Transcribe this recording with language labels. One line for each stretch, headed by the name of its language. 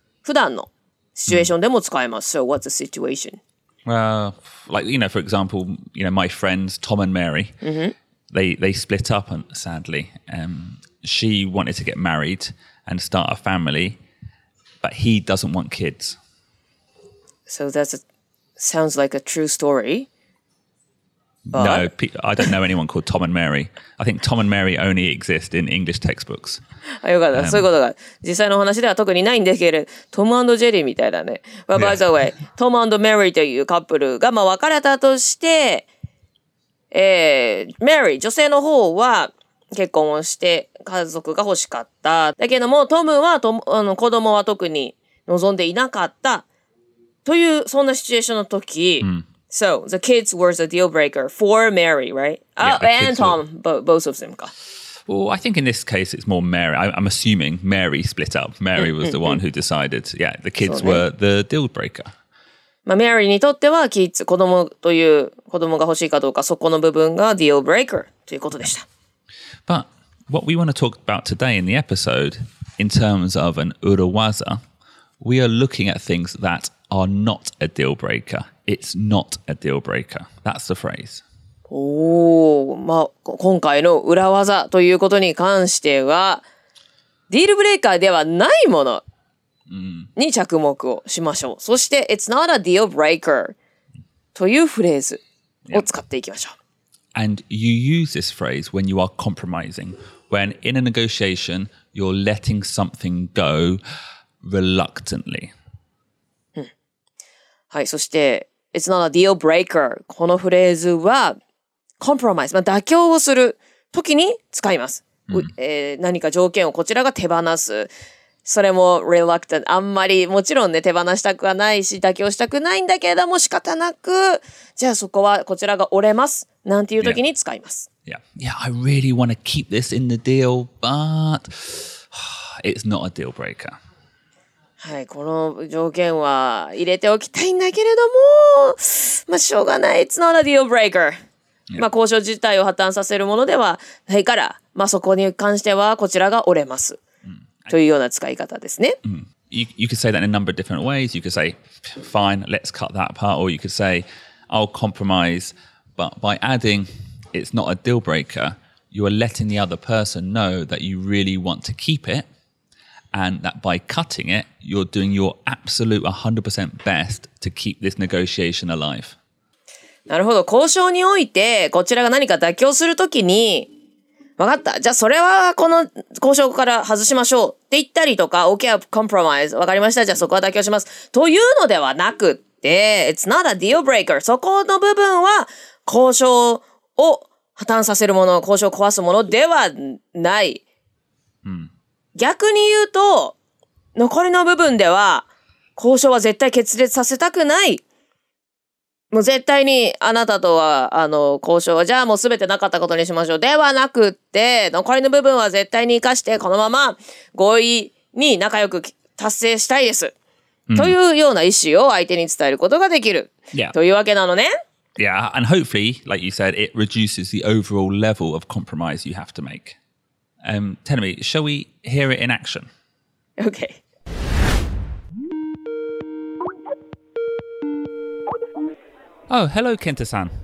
Japanese: 普段のシチュエーションでも使えます。
English: So what's the situation? Well, like, you know, for example, you know, my friends, Tom and Mary,、 mm-hmm. they split up, and sadly.、She wanted to get married and start a family, but he doesn't want kids. So that sounds like a true story. But... No, I don't know anyone called Tom and Mary. I think Tom and Mary only exist in English textbooks.
Japanese: あ、よかった。そういうことが。実際の話では特にないんですけれど、トム&ジェリーみたいだね。
English: But by the way,
Japanese: Tom and Mary というカップルが、まあ、別れたとして、Mary、女性の方は結婚をして家族が欲しかった。だけども、トムはトム、あの、子供は特に望んでいなかった。という、そんなシチュエーションの時、 mm.
English: So, the kids were the deal breaker for Mary, right? Yeah, and Tom, both of them. Well, I think in this case, it's more Mary. I'm assuming Mary split up. Mary was the one who decided. Yeah, the kids were the deal breaker.
Japanese: まあ、Mary にとっては、キッズ、子供という子供が欲しいかどうか、そこの部分が deal breaker ということでした。
English: But what we want to talk about today in the episode, in terms of an urawaza, we are looking at things that are not a deal breaker. It's not a deal breaker. That's the phrase.
Japanese: まあ、今回の裏技ということに関しては、ディールブレーカーではないものに着目をしましょう。そして、
English: It's not a deal breaker
Japanese: というフレーズを使っていきましょう。
English: And you use this phrase when you are compromising. When in a negotiation, you're letting something go reluctantly.
Japanese: はい、そして、
English: It's not a deal breaker.
Japanese: このフレーズは compromise、まあ、妥協をするときに使います、うん何か条件をこちらが手放す。それも reluctant。あんまりもちろんね、手放したくはないし、妥協したくないんだけれども仕方なく、じゃあそこはこちらが折れます。なんていうときに使います。
English: Yeah. Yeah. Yeah, I really want to keep this in the deal, but it's not a deal breaker.
Japanese: はい、この条件は入れておきたいんだけれども、まあしょうがない。
English: It's not a deal breaker、yeah.。
Japanese: まあ交渉自体を破綻させるものではないから、まあそこに関してはこちらが折れます、mm. というような使い方ですね。 Mm.
English: You could say that in a number of different ways. You could say, fine, let's cut that part, or you could say, I'll compromise. But by adding, it's not a deal breaker, you are letting the other person know that you really want to keep it. And that by cutting it, you're doing your absolute 100% best to keep this negotiation alive.
Japanese: なるほど。交渉において、こちらが何か妥協するときに、わかった。じゃあそれはこの交渉から外しましょうって言ったりとか、
English: Okay, compromise.
Japanese: わかりました。じゃあそこは妥協します。というのではなくって、
English: It's not a deal breaker.
Japanese: そこの部分は交渉を破綻させるもの、交渉を壊すものではない。逆に言うと、残りの部分では、交渉は絶対決裂させたくない。もう絶対にあなたとは、あの、交渉は、じゃあもう全てなかったことにしましょう。ではなくって、残りの部分は絶対に生かして、このまま合意に仲良く達成したいです。 Mm. というような意思を相手に伝えることができる。
English: Yeah.
Japanese: というわけなのね。
English: Yeah, and hopefully, like you said, it reduces the overall level of compromise you have to make. Tell me, shall we hear it in action? Okay. Oh, hello, Kenta-san.